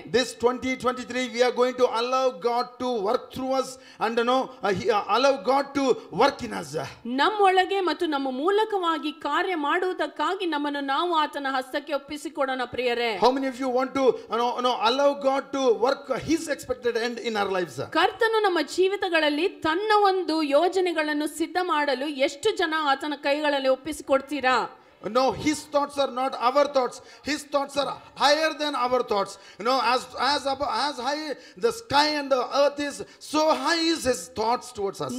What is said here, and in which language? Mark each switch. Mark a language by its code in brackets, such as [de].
[en] This 2023 we are going to allow God to work through us and allow God to work in us. [kn] ನಮ್ಮೊಳಗೆ ಮತ್ತು ನಮ್ಮ ಮೂಲಕವಾಗಿ ಕಾರ್ಯ ಮಾಡುವುದಕ್ಕಾಗಿ ನಮ್ಮನ್ನು ನಾವು ಆತನ ಹಸ್ತಕ್ಕೆ ಒಪ್ಪಿಸಿ ಕೊಡೋಣ. ಪ್ರಿಯರೇ, [en] how many of you want to allow God to work his expected end in our lives? [kn] ಕರ್ತನು ನಮ್ಮ ಜೀವಿತಗಳಲ್ಲಿ ತನ್ನ ಒಂದು ಯೋಜನೆಗಳನ್ನು ಸಿದ್ಧ ಮಾಡಲು ಎಷ್ಟು ಜನ ಆತನ ಕೈಗಳಲ್ಲಿ ಒಪ್ಪಿಸಿ ಕೊಡ್ತೀರಾ? [en] No, his thoughts are not our thoughts. His thoughts are higher than our thoughts. You know, as high the sky and the earth is, so high is his thoughts towards us.